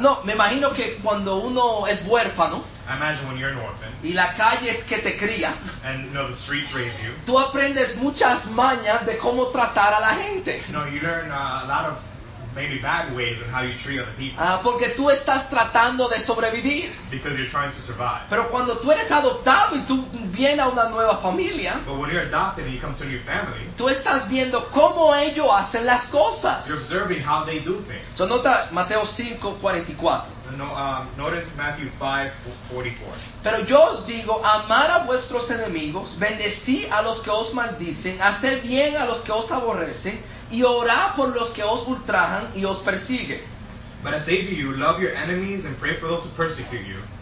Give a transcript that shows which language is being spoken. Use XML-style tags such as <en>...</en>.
<es>No, me imagino que cuando uno es huérfano,</es> <en>I imagine when you're an orphan,</en> <es>y la calle es que te cría,</es> <en>and you know, the streets raise you,</en> <es>tú aprendes muchas mañas de cómo tratar a la gente.</es> <en>No, you learn a lot of maybe bad ways in how you treat other people.</en> <es>Porque tú estás tratando de sobrevivir.</es> <en>Because you're trying to survive.</en> <es>Pero cuando tú eres adoptado y tú vienes a una nueva familia,</es> <en>but when you're adopted and you come to a new family,</en> <es>tú estás viendo cómo ellos hacen las cosas.</es> <en>You're observing how they do things.</en> <es>So nota Mateo 5:44.</es> <en>No, notice Matthew 5:44.</en> <es>Pero yo os digo, amar a vuestros enemigos, bendecid a los que os maldicen, hacer bien a los que os aborrecen, y orar por los que os ultrajan y os persiguen.</es> <en>But I say to you, love your enemies and pray for those who persecute you.</en>